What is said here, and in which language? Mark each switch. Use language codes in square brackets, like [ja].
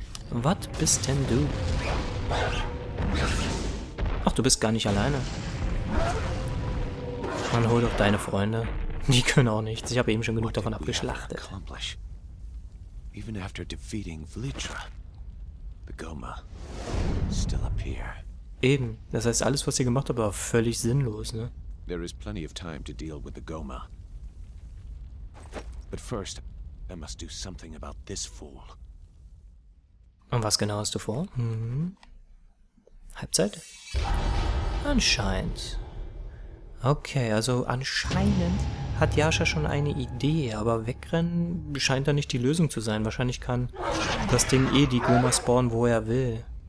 [de] Was bist denn du? Ach, du bist gar nicht alleine. Man holt doch deine Freunde. Die können auch nichts. Ich habe eben schon genug davon abgeschlachtet. [en] Even after defeating Vlitra, the Goma still appear. [de] Eben, das heißt, alles, was ihr gemacht habt, war völlig sinnlos, ne? [en] There is plenty of time to deal with the Goma. But first, I must do something about this fool. [de] Und was genau hast du vor? Halbzeit? Anscheinend. Okay, also anscheinend hat Yasha schon eine Idee, aber wegrennen scheint da nicht die Lösung zu sein. Wahrscheinlich kann das Ding eh die Goma spawnen, wo er will.